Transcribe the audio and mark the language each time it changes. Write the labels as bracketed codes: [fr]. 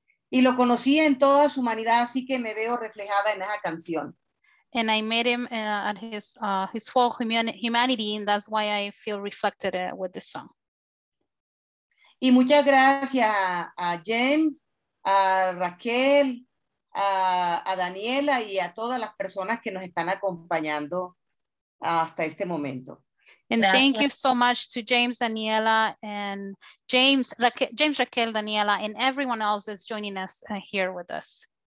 [es] Y lo conocí en toda su humanidad, así que me veo reflejada en esa canción. [en] And I met him at his full humanity, and that's why I feel reflected with this song. [es] Y muchas gracias a James, a Raquel, a Daniela y a todas las personas que nos están acompañando hasta este momento. [en] And thank you so much to James, Daniela, and Raquel, Daniela, and everyone else that's joining us here with us.